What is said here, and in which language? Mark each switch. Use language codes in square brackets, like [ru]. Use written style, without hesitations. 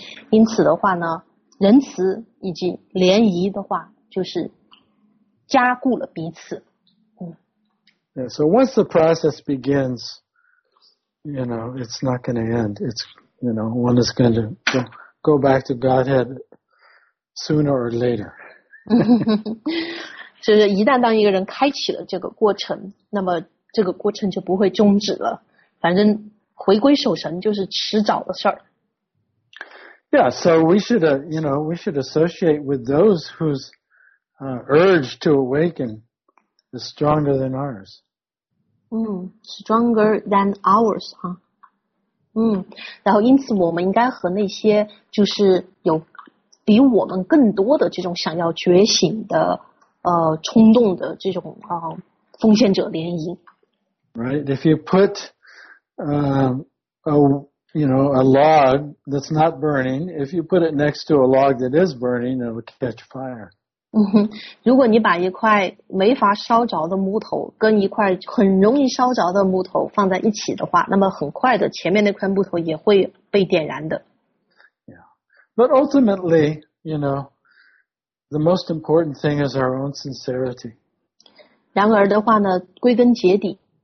[zh] 因此的话呢，仁慈以及联谊的话，就是加固了彼此。 [en] Yeah, so once the process begins, you know, it's not going to end. It's, you know, one is going to go back to Godhead sooner or later. [zh] 就是一旦当一个人开启了这个过程，那么这个过程就不会终止了。反正回归守神就是迟早的事儿。 [en] Yeah, so we should, you know, we should associate with those whose urge to awaken is stronger than ours. Stronger than ours, huh? [zh] 然后因此我们应该和那些就是有比我们更多的这种想要觉醒的冲动的这种奉献者联谊。 [en] Right, if you put a log that's not burning, if you put it next to a log that is burning, it will catch fire. [zh] 如果你把一块没法烧着的木头跟一块很容易烧着的木头放在一起的话，那么很快的前面那块木头也会被点燃的。 [en] But ultimately, you know, the most important thing is our own sincerity. [zh] 然而的话呢，归根结底。